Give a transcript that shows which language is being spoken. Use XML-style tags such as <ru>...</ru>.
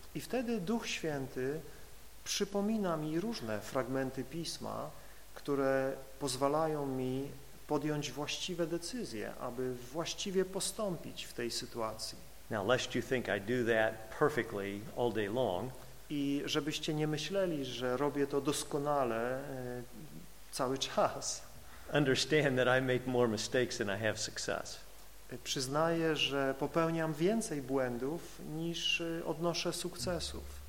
<pl>I wtedy Duch Święty przypomina mi różne fragmenty Pisma, które pozwalają mi podjąć właściwe decyzje, aby właściwie postąpić w tej sytuacji.</pl> <en>Now, lest you think I do that perfectly all day long,</en> <pl>i żebyście nie myśleli, że robię to doskonale cały czas,</pl> <en>understand that I make more mistakes than I have success.</en> <pl>Przyznaję, że popełniam więcej błędów niż odnoszę sukcesów.</pl>